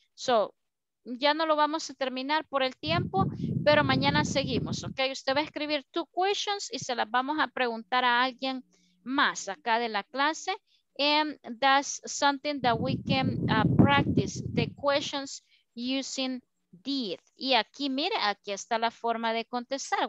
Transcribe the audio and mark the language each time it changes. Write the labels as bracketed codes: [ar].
[es] So, ya no lo vamos a terminar por el tiempo, pero mañana seguimos, okay? Usted va a escribir 2 questions y se las vamos a preguntar a alguien más acá de la clase. [en] And that's something that we can practice the questions using did. [es] Y aquí, mire, aquí está la forma de contestar.